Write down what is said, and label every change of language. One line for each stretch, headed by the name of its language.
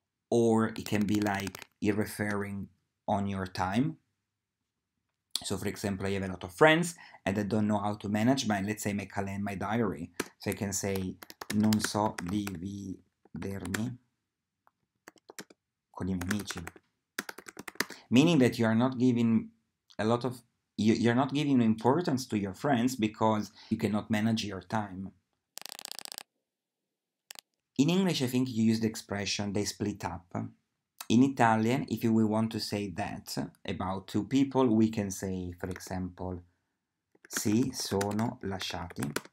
English: Or it can be like you're referring on your time. So for example, I have a lot of friends and I don't know how to manage my, let's say, my calendar, my diary. So I can say,
Italian: non so dividermi con I miei amici.
English: Meaning that you are not giving a lot of, you're not giving importance to your friends because you cannot manage your time. In English, I think you use the expression, they split up. In Italian, if we want to say that about two people, we can say, for example,
Italian: si sono lasciati.